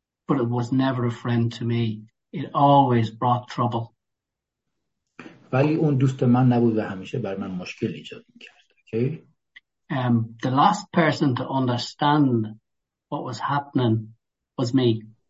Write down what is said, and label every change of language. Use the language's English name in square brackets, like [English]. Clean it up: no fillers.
[English] But it was never a friend to me. It always brought trouble. [Persian] ولی اون دوست من نبود و همیشه بر من مشکل ایجاد میکرد. [English] Okay. The last person to understand what was happening was me.